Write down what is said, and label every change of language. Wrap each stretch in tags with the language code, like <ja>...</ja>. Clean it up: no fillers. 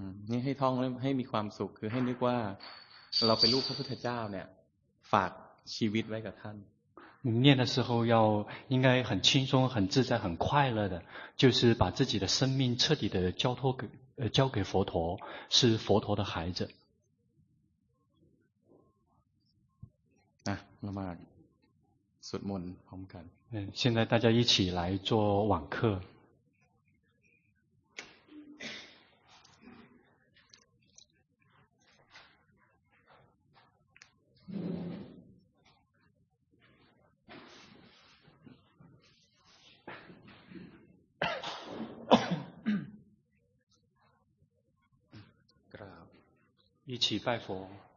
<th>นี่ให้ท่องให้มีความสุขคือให้นึกว่าเราเป็นลูกพระพุทธเจ้าเนี่ยฝากชีวิตไว้กับท่าน</th> <zh>念的时候要应该很轻松很自在很快乐的就是把自己的生命彻底的交给佛陀是佛陀的孩子啊那么</zh> <th>สวดมนต์พร้อมกัน</th> <zh>现在大家一起来做网课一起拜佛</zh>